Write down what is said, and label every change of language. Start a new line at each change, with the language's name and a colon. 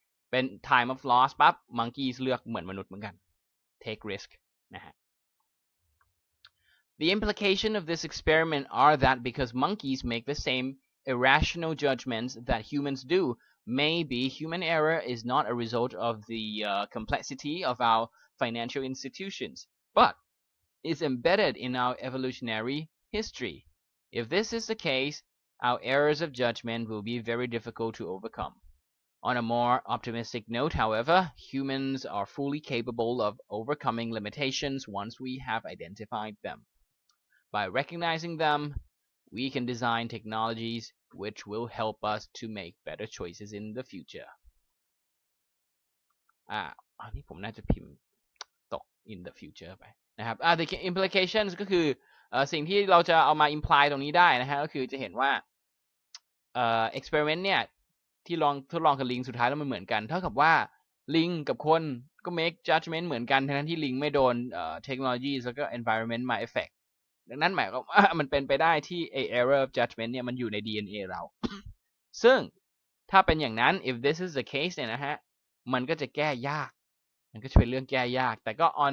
Thai: เป็น time of loss ปั๊บ monkeys เลือกเหมือนมนุษย์เหมือนกัน take risk นะฮะ
English: The implication of this experiment are that because monkeys make the same irrational judgments that humans do, maybe human error is not a result of the complexity of our financial institutions, but is embedded in our evolutionary history. If this is the case,Our errors of judgment will be very difficult to overcome. On a more optimistic note, however, humans are fully capable of overcoming limitations once we have identified them. By recognizing them, we can design technologies which will help us to make better choices in the future.
Thai: นี่ผมน่าจะพิมพ์ตก
English: in the future
Thai: ไปนะครับ the implications ก็คือสิ่งที่เราจะเอามา imply ตรงนี้ได้นะฮะก็คือจะเห็นว่าexperiment เนี่ยที่ลองทดลองกับลิงสุดท้ายแล้วมันเหมือนกันเท่ากับว่าลิงกับคนก็
English: make judgment
Thai: เหมือนกันทั้งที่ลิงไม่โดนtechnology แล้วก็ environment มา effect ดังนั้นหมายความว่ามันเป็นไปได้ที่
English: error of judgment
Thai: เนี่ยมันอยู่ใน DNA เรา ซึ่งถ้าเป็นอย่างนั้น
English: if this is the case
Thai: เนี่ยนะฮะมันก็จะแก้ยากมันก็จะเป็นเรื่องแก้ยากแต่ก็